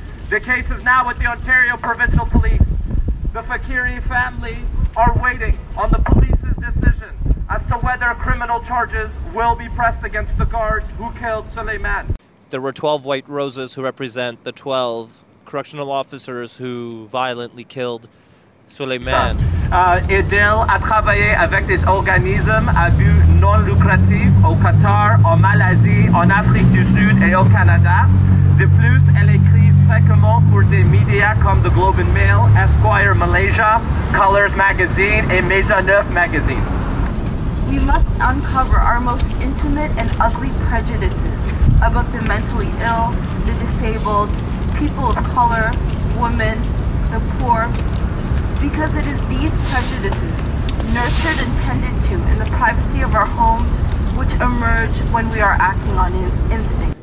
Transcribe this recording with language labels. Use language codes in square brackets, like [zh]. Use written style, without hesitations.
[en] The case is now with the Ontario Provincial Police. The Fakiri family are waiting on the police's decision as to whether criminal charges will be pressed against the guards who killed Soliman. There were 12 white roses who represent the 12 correctional officers who violently killed Soliman. [fr] Adil a travaillé avec des organismes à but non lucratif au Qatar, en Malaisie, en Afrique du Sud et au Canada. De plus, elle écrit fréquemment pour des médias comme The Globe and Mail, Esquire Malaysia, Colors Magazine et Maisonneuve Magazine. [en] We must uncover our most intimate and ugly prejudices about the mentally ill, the disabled, people of color, women, the poor. Because it is these prejudices, nurtured and tended to in the privacy of our homes, which emerge when we are acting on instinct.